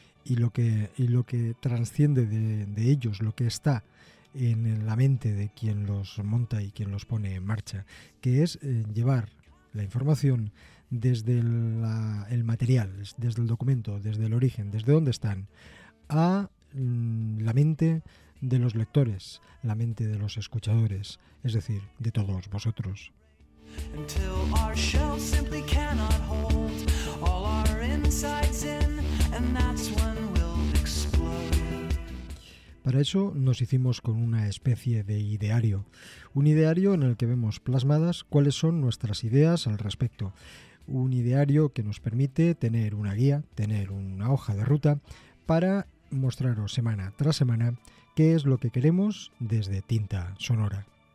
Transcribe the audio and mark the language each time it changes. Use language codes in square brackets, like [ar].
[es] lo que trasciende de ellos, lo que está en la mente de quien los monta y quien los pone en marcha, que es llevar la información desde el material, desde el documento, desde el origen, desde donde están, a la mente de los lectores, la mente de los escuchadores, es decir, de todos vosotros. [en] Until our shell simply cannot hold all our insides in, and that's when we'll explode. [es] Para eso nos hicimos con una especie de ideario. Un ideario en el que vemos plasmadas cuáles son nuestras ideas al respecto. Un ideario que nos permite tener una guía, tener una hoja de ruta para mostraros semana tras semana qué es lo que queremos desde Tinta Sonora.